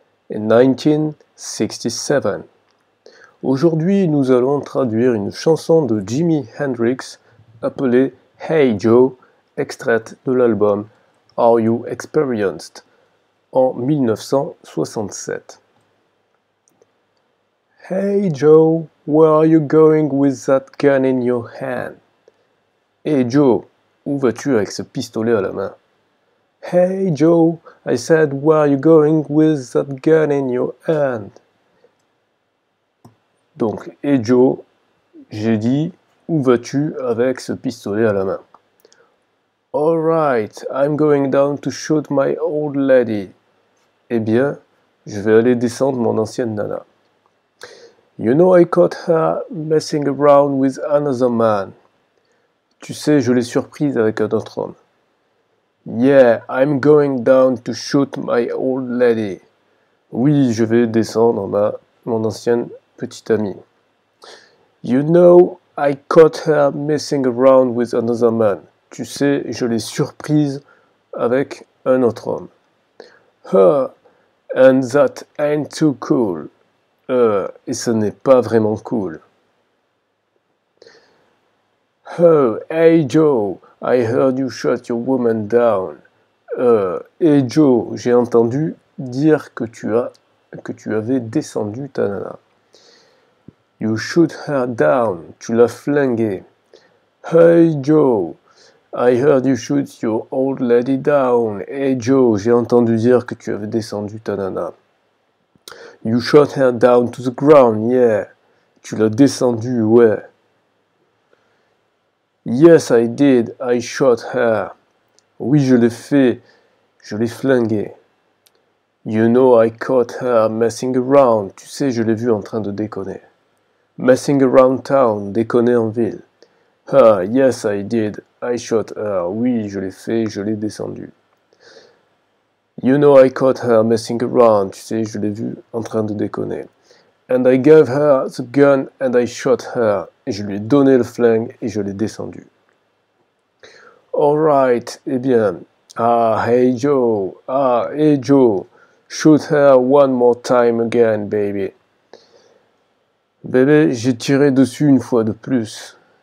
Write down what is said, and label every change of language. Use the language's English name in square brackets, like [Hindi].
[English] In 1967. [French] Aujourd'hui, nous allons traduire une chanson de Jimi Hendrix appelée Hey Joe, extraite de l'album Are You Experienced en 1967. [English] Hey Joe, where are you going with that gun in your hand? [French] Hey Joe, où vas-tu avec ce pistolet à la main? [English] Hey Joe, I said, where are you going with that gun in your hand? [French] Donc, hey Joe, j'ai dit, où vas-tu avec ce pistolet à la main? [English] Alright, I'm going down to shoot my old lady. [French] Eh bien, je vais aller descendre mon ancienne nana. [English] You know I caught her messing around with another man. [French] Tu sais, je l'ai surprise avec un autre homme. [English] Yeah, I'm going down to shoot my old lady. [French] Oui, je vais descendre mon ancienne petite amie. [English] You know, I caught her messing around with another man. [French] Tu sais, je l'ai surprise avec un autre homme. [English] And that ain't too cool. [French] Et ce n'est pas vraiment cool. [English] Hey Joe, I heard you shot your woman down. [French] Hey Joe, j'ai entendu dire que tu avais descendu ta nana. [English] You shoot her down, [French] tu l'as flinguée. [English] Hey Joe, I heard you shoot your old lady down. [French] Hey Joe, j'ai entendu dire que tu avais descendu ta nana. [English] You shot her down to the ground, yeah. [French] Tu l'as descendu, ouais. [English] Yes, I did. I shot her. [French] Oui, je l'ai fait. Je l'ai flingué. [English] You know I caught her messing around. [French] Tu sais, je l'ai vu en train de déconner. [English] Messing around town. [French] Déconner en ville. [English] Yes, I did. I shot her. [French] Oui, je l'ai fait. Je l'ai descendu. [English] You know I caught her messing around. [French] Tu sais, je l'ai vu en train de déconner. [English] And I gave her the gun and I shot her. [French] Et je lui ai donné le flingue et je l'ai descendu. Alright, eh bien. [English] Hey Joe. Shoot her one more time again, baby. [French] Bébé, j'ai tiré dessus une fois de plus.